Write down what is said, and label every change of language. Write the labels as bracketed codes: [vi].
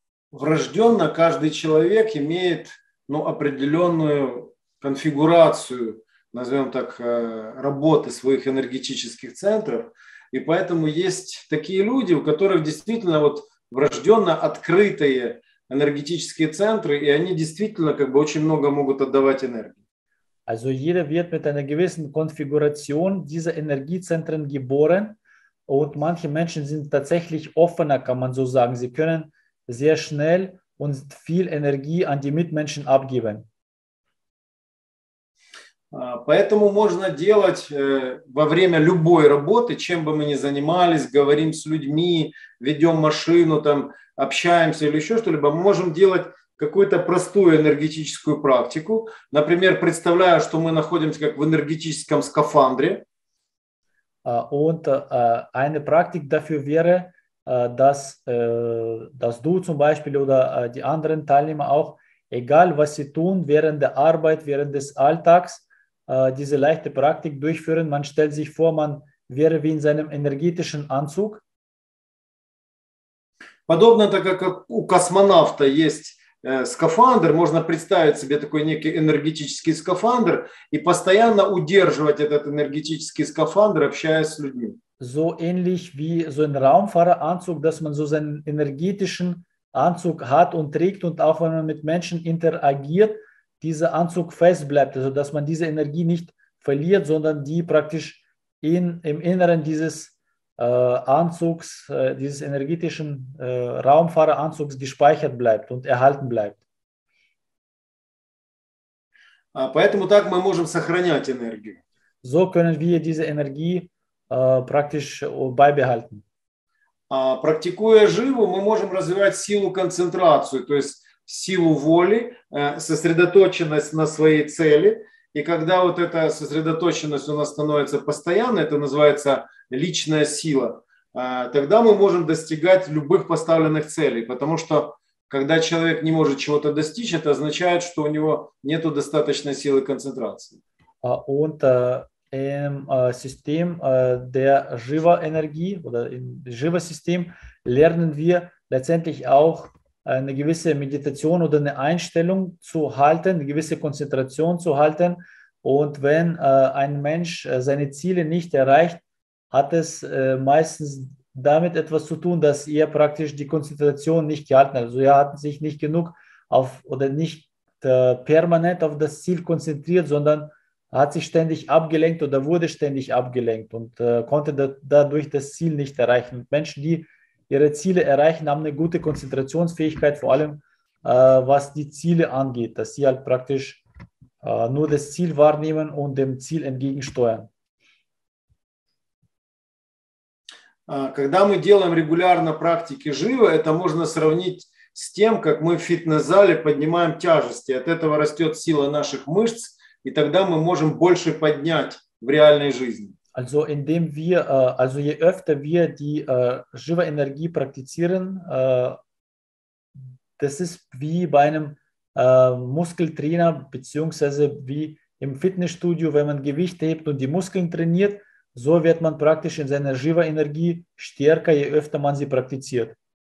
[ru] Врожденно каждый человек имеет, ну, определенную конфигурацию, назовем так, работы своих энергетических центров. И поэтому есть такие люди, у которых действительно вот врожденно открытые энергетические центры, и они действительно как бы очень много могут отдавать энергии. [de] Also jeder wird mit einer gewissen Konfiguration dieser Energiezentren geboren und manche Menschen sind tatsächlich offener, kann man so sagen. Sie können sehr schnell und viel Energie an die Mitmenschen abgeben. [ru] Поэтому можно делать во время любой работы, чем бы мы ни занимались, говорим с людьми, ведем машину, там, общаемся или еще что-либо, мы можем делать какую-то простую энергетическую практику. Например, представляю, что мы находимся как в энергетическом скафандре. [de] Und eine Praktik dafür wäre, dass du zum Beispiel oder die anderen Teilnehmer auch, egal was sie tun, während der Arbeit, während des Alltags, diese leichte Praktik durchführen. Man stellt sich vor, man wäre wie in seinem energetischen Anzug. [ru] Подобно так, как у космонавта есть скафандр, можно представить себе такой некий энергетический скафандр и постоянно удерживать этот энергетический скафандр, общаясь с людьми. [de] So ähnlich wie so ein Raumfahreranzug, dass man so seinen energetischen Anzug hat und trägt und auch wenn man mit Menschen interagiert, dieser Anzug fest bleibt, also dass man diese Energie nicht verliert, sondern die praktisch im Inneren dieses Anzugs, dieses energetischen Raumfahreranzugs gespeichert bleibt und erhalten bleibt. [ru] Поэтому так мы можем сохранять энергию. [de] So können wir diese Energie praktisch beibehalten. [ru] Практикуя живу, мы можем развивать силу концентрации, то есть силу воли, сосредоточенность на своей цели. И когда вот эта сосредоточенность у нас становится постоянной, это называется личная сила, тогда мы можем достигать любых поставленных целей. Потому что когда человек не может чего-то достичь, это означает, что у него нет достаточной силы концентрации. [de] Und im System der Jiva-Energie oder im Jiva-System lernen wir letztendlich auch eine gewisse Meditation oder eine Einstellung zu halten, eine gewisse Konzentration zu halten. Und wenn ein Mensch seine Ziele nicht erreicht, hat es meistens damit etwas zu tun, dass er praktisch die Konzentration nicht gehalten hat. Also er hat sich nicht genug auf oder nicht permanent auf das Ziel konzentriert, sondern hat sich ständig abgelenkt oder wurde ständig abgelenkt und konnte dadurch das Ziel nicht erreichen. Und Menschen, die ihre Ziele erreichen, haben eine gute Konzentrationsfähigkeit, vor allem was die Ziele angeht, dass sie halt praktisch nur das Ziel wahrnehmen und dem Ziel entgegensteuern. [ru] Когда мы делаем регулярно практики живо, это можно сравнить с тем, как мы в фитнес-зале поднимаем тяжести. От этого растет сила наших мышц, и тогда мы можем больше поднять в реальной жизни. [de] Also indem wir, also je öfter wir die Jiva-Energie praktizieren, das ist wie bei einem Muskeltrainer beziehungsweise wie im Fitnessstudio, wenn man Gewicht hebt und die Muskeln trainiert, so wird man praktisch in seiner Jiva-Energie stärker, je öfter man sie praktiziert.